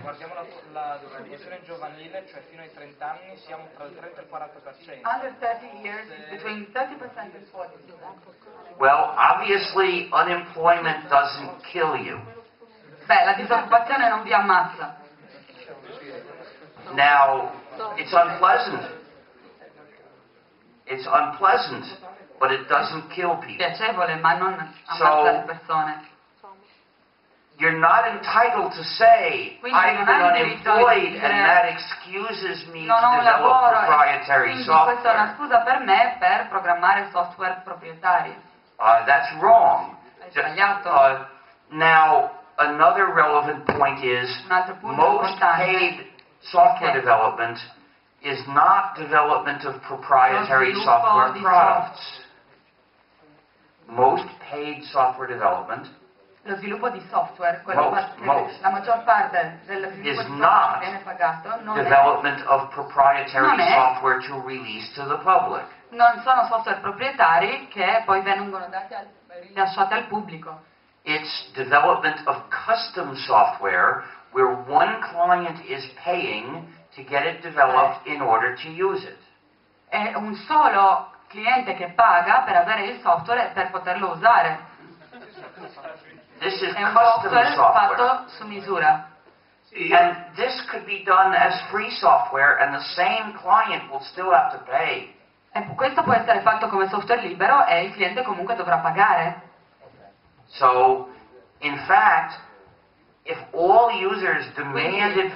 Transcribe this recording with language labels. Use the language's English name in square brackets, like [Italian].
[Italian] Guardiamo la dimensione giovanile, cioè fino ai 30 anni siamo tra il 30 e il 40%. [English] Under 30 years, between 30% and 40%. Well, obviously unemployment doesn't kill you. [Italian] Beh, la disoccupazione non vi ammazza. [English] Now, it's unpleasant. It's unpleasant, but it doesn't kill people. [Italian] Piacevole, ma non ammazza le persone. [English] You're not entitled to say, I've been unemployed and that excuses me to develop proprietary software. [Italian] Questa è una scusa per me per programmare software proprietario. [English] That's wrong. [Italian] È sbagliato. [English] Now, another relevant point is, most paid software development is not development of proprietary software products. Most paid software development [Italian] lo sviluppo di software, la maggior parte dello sviluppo di software viene pagato, non [English] development of proprietary software to release to the public. [Italian] Non sono software proprietari che poi vengono lasciati al pubblico. [English] It's development of custom software where one client is paying to get it developed in order to use it. [Italian] È un solo cliente che paga per avere il software per poterlo usare. [English] This is [Italian] è un [English] custom software, [Italian] software fatto su misura. [English] And this could be done as free software and the same client will still have to pay. [Italian] E questo può essere fatto come software libero e il cliente comunque dovrà pagare. [English] So, in fact, if all users demanded